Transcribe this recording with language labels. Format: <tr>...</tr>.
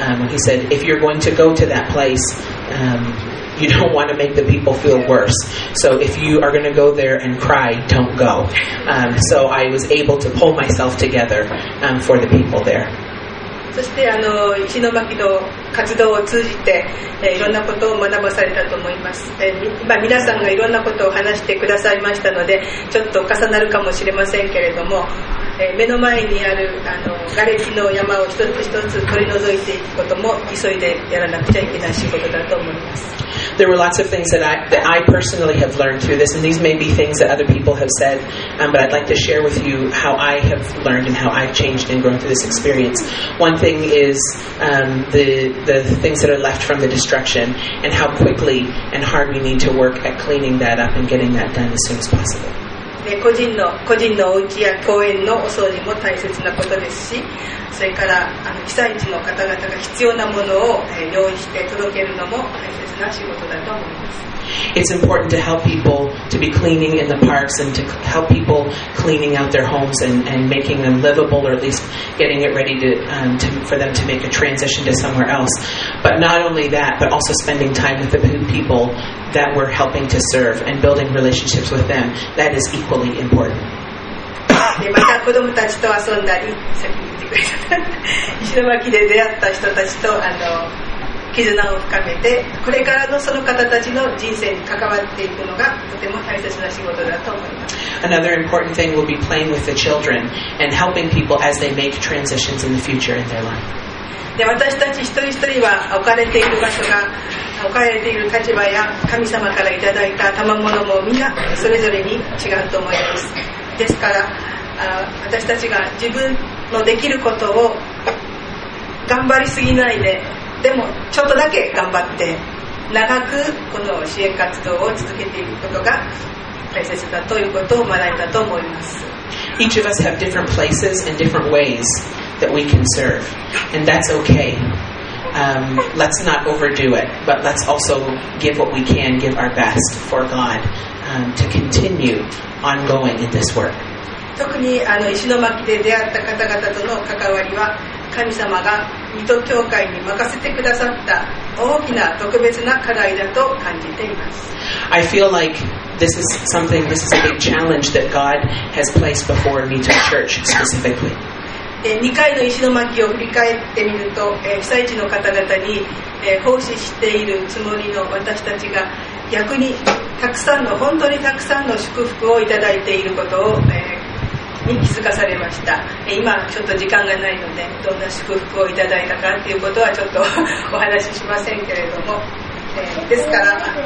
<en>He said, if you're going to go to that place, you don't want to make the people feel worse. So if you are going to go there and cry, don't go. So I was able to pull myself together for the people there.</en> <ja>そしてあの石巻の活動を通じて、いろんなことを学ばされたと思います、まあ、皆さんがいろんなことを話してくださいましたのでちょっと重なるかもしれませんけれども、目の前にあるあの瓦礫の山を一つ一つ取り除いていくことも急いでやらなくちゃいけない仕事だと思います。</ja> <en>There were lots of things that I personally have learned through this, and these may be things that other people have said, but I'd like to share with you how I have learned and how I've changed and grown through this experience. One thing is the things that are left from the destruction and how quickly and hard we need to work at cleaning that up and getting that done as soon as possible.</en> <ja>個人のお家や公園のお掃除も大切なことですし、それからあの被災地の方々が必要なものを、用意して届けるのも大切な仕事だと思います。</ja> <en>It's important to help people to be cleaning in the parks and to help people cleaning out their homes and making them livable or at least getting it ready to for them to make a transition to somewhere else. But not only that, but also spending time with the people that we're helping to serve and building relationships with them. That is equally important.</en> <ja>また子どもたちと遊んだり、さっき言ってくれた石巻で出会った人たちとあの絆を深めて、これからのその方たちの人生に関わっていくのがとても大切な仕事だと思います。</ja> <en>Another important thing will be playing with the children and helping people as they make transitions in the future in their life.</en> <ja>で、私たち一人一人は置かれている場所が、置かれている立場や神様からいただいた賜物もみんなそれぞれに違うと思います。ですから、私たちが自分のできることを頑張りすぎないで、でもちょっとだけ頑張って長くこの支援活動を続けていくことが大切だということを学んだと思います。</ja> <en>Each of us have different places and different ways that we can serve, and that's okay. Let's not overdo it, but let's also give what we can, give our best for God, to continue ongoing in this work.</en> <ja>特にあの石巻で出会った方々との関わりは神様が水戸教会に任せてくださった大きな特別な課題だと感じています。</ja> <en>I feel like this is a big challenge that God has placed before 水戸 church specifically.</en> <ja>2回の石巻を振り返ってみると、被災地の方々に、奉仕しているつもりの私たちが逆にたくさんの本当にたくさんの祝福をいただいていることを、に気づかされました。今ちょっと時間がないのでどんな祝福をいただいたかということはちょっとお話ししませんけれども、ですから、</ja>